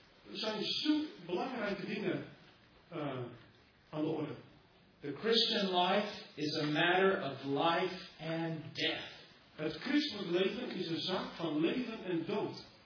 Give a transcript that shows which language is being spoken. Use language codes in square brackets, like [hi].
[nl] Er zijn zulke belangrijke dingen aan de orde. [en] The Christian life is a matter of life and death. [nl] Het christelijk leven is een zaak van leven en dood.